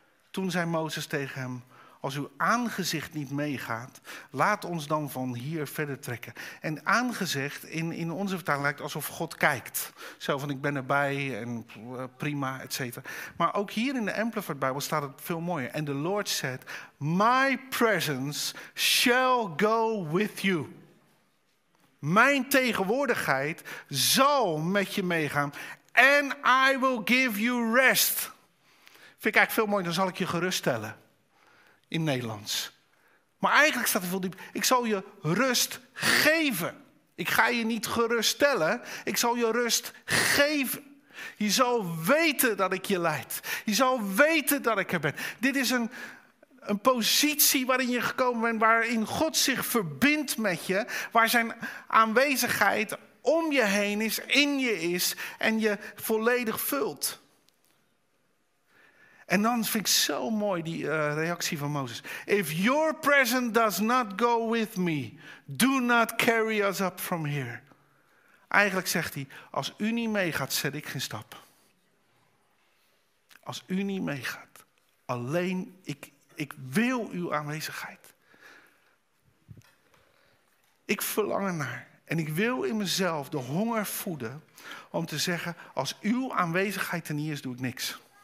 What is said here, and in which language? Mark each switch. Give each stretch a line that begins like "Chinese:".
Dutch: Toen zei Mozes tegen hem, als uw aangezicht niet meegaat, laat ons dan van hier verder trekken. En aangezicht, in onze vertaling lijkt alsof God kijkt. Zo van, ik ben erbij en prima, et cetera. Maar ook hier in de Amplified Bijbel staat het veel mooier. En de
English: Lord said, my presence shall go with you.
Dutch: Mijn tegenwoordigheid zal met je meegaan.
English: And I will give you rest.
Dutch: Vind ik eigenlijk veel mooier, dan zal ik je geruststellen. In Nederlands. Maar eigenlijk staat er veel diep. Ik zal je rust geven. Ik ga je niet geruststellen. Ik zal je rust geven. Je zal weten dat ik je leid. Je zal weten dat ik er ben. Dit is een positie waarin je gekomen bent. Waarin God zich verbindt met je. Waar zijn aanwezigheid om je heen is. In je is. En je volledig vult. En dan vind ik zo mooi die reactie van Mozes.
English: If your presence does not go with me, do not carry us up from here.
Dutch: Eigenlijk zegt hij, als u niet meegaat, zet ik geen stap. Als u niet meegaat, alleen ik wil uw aanwezigheid. Ik verlang ernaar. En ik wil in mezelf de honger voeden om te zeggen, als uw aanwezigheid er niet is, doe ik niks.